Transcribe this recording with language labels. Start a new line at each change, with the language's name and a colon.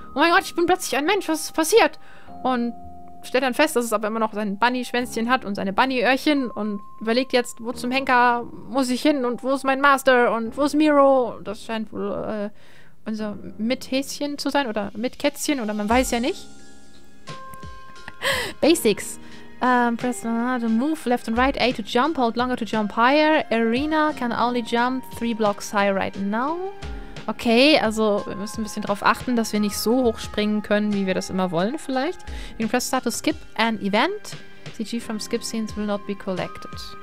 German: Oh mein Gott, ich bin plötzlich ein Mensch, was ist passiert? Und stellt dann fest, dass es aber immer noch sein Bunny-Schwänzchen hat und seine Bunny-Öhrchen. Und überlegt jetzt, wo zum Henker muss ich hin und wo ist mein Master und wo ist Miro? Das scheint wohl unser Mithäschen zu sein oder Mitkätzchen oder man weiß ja nicht.
English: Basics. Press the move left and right. A to jump, hold longer to jump higher. Arena can only jump 3 blocks high right now.
German: Okay, also wir müssen ein bisschen darauf achten, dass wir nicht so hoch springen können, wie wir das immer wollen vielleicht.
English: You can press start to skip an event. CG from skip scenes will not be collected.